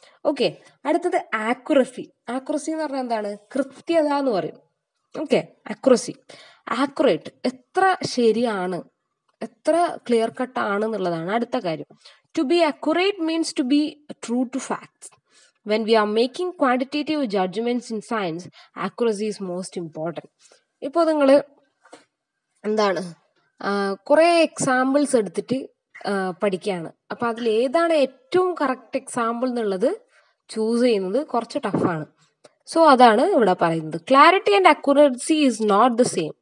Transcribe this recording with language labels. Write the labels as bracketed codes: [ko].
[ml] Okay, അടുത്തത് accuracy. Accuracy എന്ന് പറഞ്ഞാൽ എന്താണ്, കൃത്യത എന്ന് പറയും. ഓക്കെ, ആക്യുറസി, ആക്യുറേറ്റ്, എത്ര ശരിയാണ്, എത്ര ക്ലിയർ കട്ട് ആണ് എന്നുള്ളതാണ് അടുത്ത കാര്യം. [en] To be accurate means to be true to facts. When we are making quantitative judgments in science, accuracy is most important. [ml] ഇപ്പോൾ നിങ്ങൾ എന്താണ് കുറേ എക്സാമ്പിൾസ് എടുത്തിട്ട് പഠിക്കുകയാണ്, അപ്പോൾ അതിൽ ഏതാണ് ഏറ്റവും കറക്റ്റ് എക്സാമ്പിൾ എന്നുള്ളത് ചൂസ് ചെയ്യുന്നത് കുറച്ച് ടഫാണ്. [en] so [ml] അതാണ് ഇവിടെ പറയുന്നത്. [en] Clarity and accuracy is not the same.